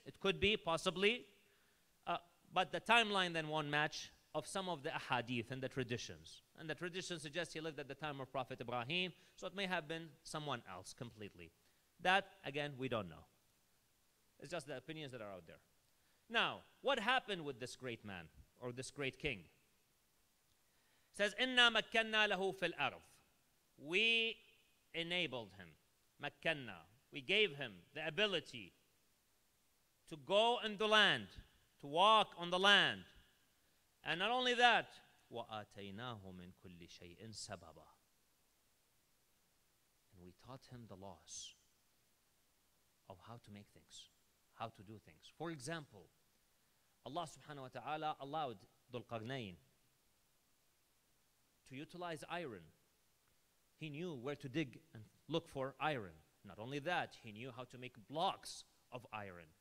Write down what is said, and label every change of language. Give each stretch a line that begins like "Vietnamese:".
English: It could be, possibly. But the timeline then won't match of some of the ahadith and the traditions. And the tradition suggests he lived at the time of Prophet Ibrahim, so it may have been someone else completely. That, again, we don't know. It's just the opinions that are out there. Now, what happened with this great man or this great king? says,
Arabic: إِنَّا مَكَّنَّا لَهُ فِي الْأَرْضِ.
English: We enabled him. مَكَّنَّا. We gave him the ability to go in the land, to walk on the land. And not only that,
Arabic: وَآتَيْنَاهُ مِنْ كُلِّ شَيْءٍ سَبَبًا.
English: And we taught him the laws of how to make things, how to do things. For example, Allah subhanahu wa ta'ala allowed Dhul-Qarnayn to utilize iron. He knew where to dig and look for iron. Not only that, he knew how to make blocks of iron.